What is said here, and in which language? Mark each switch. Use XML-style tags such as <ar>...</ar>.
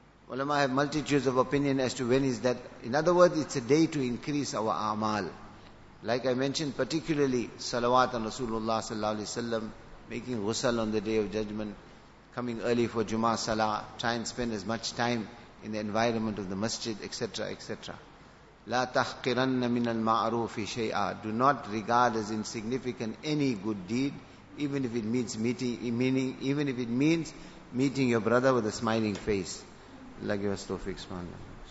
<en>Ulama have multitudes of opinion as to when is that. In other words, it's a day to increase our amal. Like I mentioned, particularly salawat on Rasulullah sallallahu alayhi wa sallam, making ghusl on the day of judgment, coming early for Jummah salah, try and spend as much time in the environment of the masjid, etc., etc.</en> <ar>لا تحقرن من المعروف شيئا.</ar> <en>Do not regard as insignificant any good deed, even if it means meeting your brother with a smiling face. Allah give us tawfiq, subhanAllah.</en>